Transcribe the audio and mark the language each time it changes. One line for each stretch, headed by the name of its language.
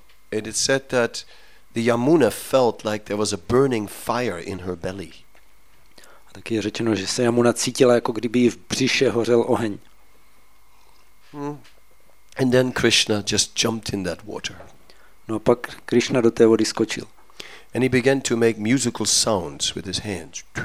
English: It is said that the Yamuna felt like there was a burning fire in her belly.
Czech: A taky je řečeno, že se Yamuna cítila, jako kdyby jí v břiše hořel oheň.
English: And then Krishna just jumped in that water.
Czech: No a pak Krishna do té vody skočil.
English: And he began to make musical sounds with his hands.